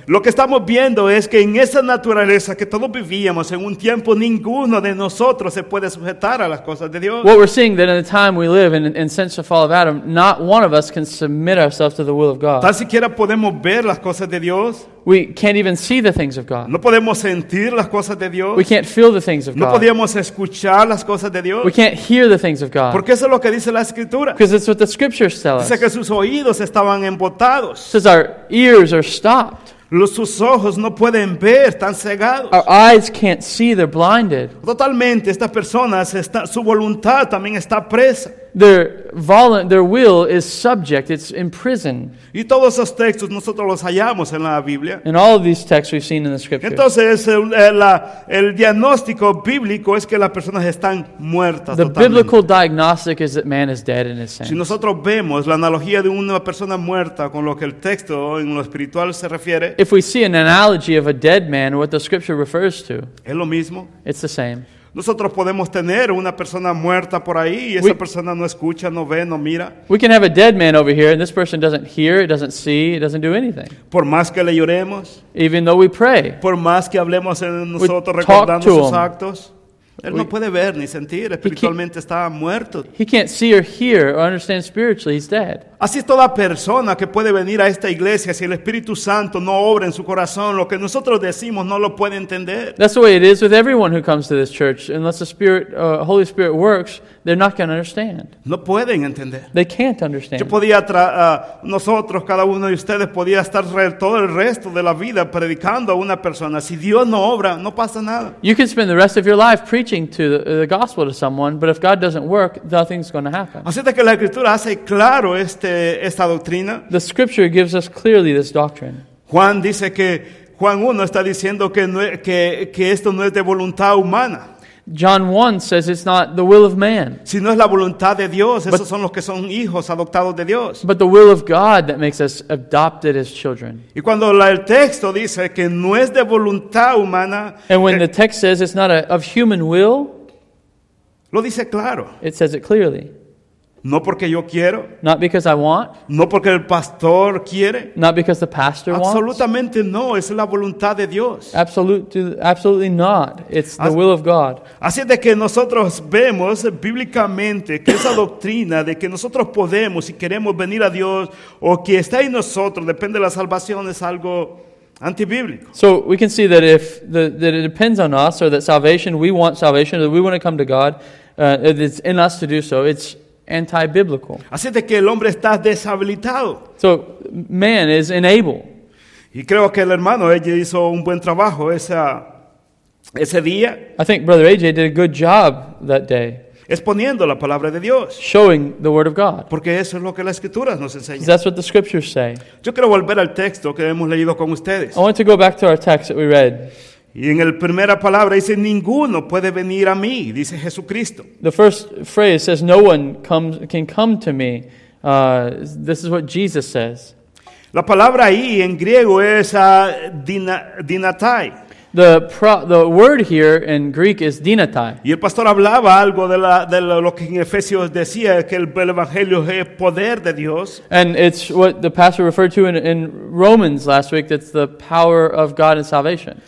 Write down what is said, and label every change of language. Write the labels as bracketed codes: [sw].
[es] Lo que estamos viendo es que en esa naturaleza que todos vivíamos en un tiempo ninguno de nosotros se puede sujetar a las cosas de Dios. [en] What we're seeing that in the time we live in since the fall of Adam, not one of us can submit ourselves to the will of God. [es] Tan siquiera podemos ver las cosas de Dios. [en] We can't even see the things of God. [es] No podemos sentir las cosas de Dios. [en] We can't feel the things of [es] no [en] God. [es] No podemos escuchar las cosas de Dios. [en] We can't hear the things of God. [es] Porque eso es lo que dice la Escritura. [en] Because it's what the Scriptures tell us. [es] Dice que sus oídos estaban embotados. [en] It says our ears are stopped. [es] Sus ojos no pueden ver, están cegados. [en] Our eyes can't see, they're blinded. [es] Totalmente, estas personas, su voluntad también está presa. [en] Their will is subject, it's in prison. [es] Y todos esos textos nosotros los hallamos en la Biblia. [en] And all of these texts we've seen in the Scriptures. [es] Entonces, el diagnóstico bíblico es que las personas están muertas [en] the [es] totalmente. [en] Biblical diagnostic is that man is dead in his sense. [es] Si nosotros vemos la analogía de una persona muerta con lo que el texto en lo espiritual se refiere, [en] if we see an analogy of a dead man, what the Scripture refers to, [es] es lo mismo. [en] It's the same. [es] Nosotros podemos tener una persona muerta por ahí y esa persona no escucha, no ve, no mira. [en] We can have a dead man over here and this person doesn't hear, it doesn't see, it doesn't do anything. [es] Por más que le lloremos. [en] Even though we pray. [es] Por más que hablemos en nosotros recordando sus actos. Él no puede ver ni sentir, espiritualmente está muerto. [en] He can't see or hear or understand spiritually, he's dead. [es] Así toda persona que puede venir a esta iglesia, si el Espíritu Santo no obra en su corazón, lo que nosotros decimos no lo puede entender. [en] That's the way it is with everyone who comes to this church. Unless the Spirit, Holy Spirit works, they're not going to understand. [es] No pueden entender. [en] They can't understand. [es] Yo podía nosotros, cada uno de ustedes, podía estar todo el resto de la vida predicando a una persona. Si Dios no obra, no pasa nada. [en] You can spend the rest of your life preaching to the gospel to someone, but if God doesn't work, nothing's going to happen. [es] Así que la Escritura hace claro esta doctrina. [en] The scripture gives us clearly this doctrine. [es] Juan dice que Juan 1 está diciendo que no, que esto no es de voluntad humana. [en] John 1 says it's not the will of man. [es] Si no es la voluntad de Dios, but, esos son los que son hijos adoptados de Dios. [en] But the will of God that makes us adopted as children. [es] Y cuando el texto dice que no es de voluntad humana, [en] and when the text says it's not of human will, [es] lo dice claro. [en] It says it clearly. [es] No porque yo quiero. [en] Not because I want. [es] No porque el pastor quiere. [en] Not because the pastor wants. [es] Absolutamente no. Es la voluntad de Dios. [en] Absolutely not. It's the will of God. [es] Así de que nosotros vemos bíblicamente que esa doctrina de que nosotros podemos y queremos venir a Dios o que está en nosotros depende de la salvación es algo antibíblico. [en] So we can see that if that it depends on us or that salvation, we want salvation, that we want to come to God, it's in us to do so. It's anti-biblical. [es] Así de que el hombre está deshabilitado. [en] So man is unable. [es] Y creo que el hermano AJ hizo un buen trabajo ese día. [en] I think brother AJ did a good job that day. [es] Exponiendo la palabra de Dios. [en] Showing the word of God. [es] Porque eso es lo que las escrituras nos enseñan. [en] That's what the scriptures say. [es] Yo quiero volver al texto que hemos leído con ustedes. [en] I want to go back to our text that we read. [es] Y en la primera palabra dice, ninguno puede venir a mí, dice Jesucristo. [en] The first phrase says, no one can come to me. This is what Jesus says. [es] La palabra ahí en griego es dinatai. [en] The word here in Greek is dinatai. [es] Y el pastor hablaba algo de lo que en Efesios decía, que el evangelio es poder de Dios. [en] And it's what the pastor referred to in Romans last week, that's the power of God and salvation.